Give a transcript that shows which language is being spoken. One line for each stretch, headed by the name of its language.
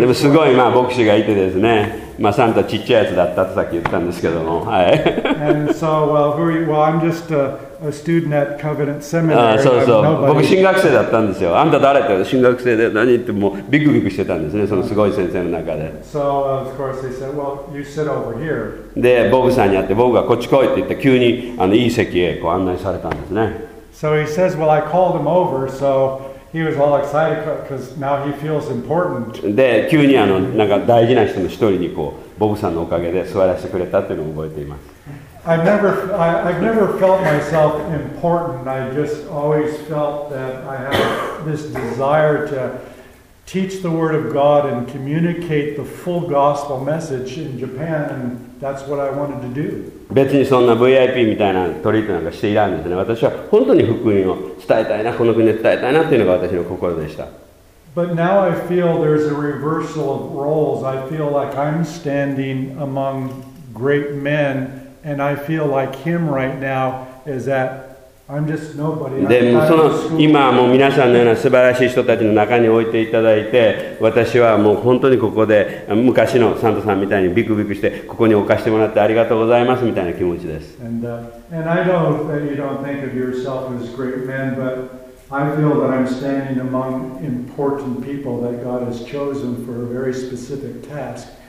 Japanese: でもすごい、まあ牧師がいてですね、まあサンタちっちゃいやつだったとさっき言ったんですけども、はい。
English: And so, well, who are you? Well, I'm just a student at Covenant Seminary.
Japanese: ああ、そうそう。僕新学生だったんですよ。あんた誰って新学生で何ってもうビクビクしてたんですね、そのすごい先生の中で。
English: So of course they said, well, you sit over here.
Japanese: で、ボブさんに会って、ボブがこっち来いって言って、急にいい席へこう案内されたんですね。
English: So he says, well, I called him over, so he was all excited because now he feels important.
Japanese: で、急に何か大事な人の一人にこうボブさんのおかげで座らせてくれたっていうのを覚えています。
English: I've never felt myself important. I just always felt that I have this desire to teach the word of God and communicate the full gospel message in Japan, and that's what I wanted to do.
Japanese: 別にそんな VIP みたいなトリートなんかしていらんですね。私は本当に福音を伝えたいな、この国で伝えたいなっていうのが私の心でした。
English: But now I feel there's a reversal of roles. I feel like I'm standing among great men. And I feel like him right now is that I'm just nobody.
Japanese: でもその今もう皆さんのような素晴らしい人たちの中に置いていただいて、私はもう本当にここで昔のサントさんみたいにビクビクしてここに置かせてもらってありがとうございますみたいな気持ちです。
English: And I know that you don't think of yourself as great men, but I feel that I'm standing among important people that God has chosen for a very specific task.